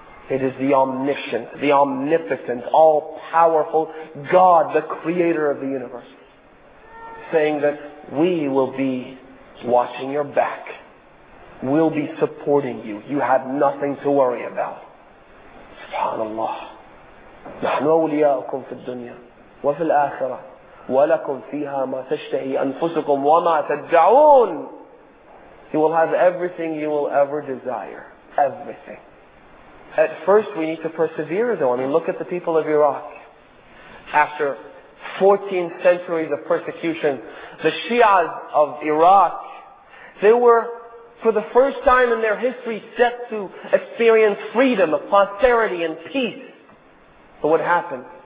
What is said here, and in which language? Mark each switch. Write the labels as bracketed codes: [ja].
[en] It is the omniscient, the omnipotent, all-powerful God, the creator of the universe, saying that we will be watching your back. We'll be supporting you. You have nothing to worry about. Subhanallah. [ar] نحن أولياؤكم في الدنيا وفي الآخرة ولكم فيها ما تشتهي أنفسكم وما تدعون. [en] You will have everything you will ever desire. Everything. At first we need to persevere though. I mean, look at the people of Iraq. After 14 centuries of persecution, the Shias of Iraq, they were for the first time in their history set to experience freedom, prosperity and peace. But what happened?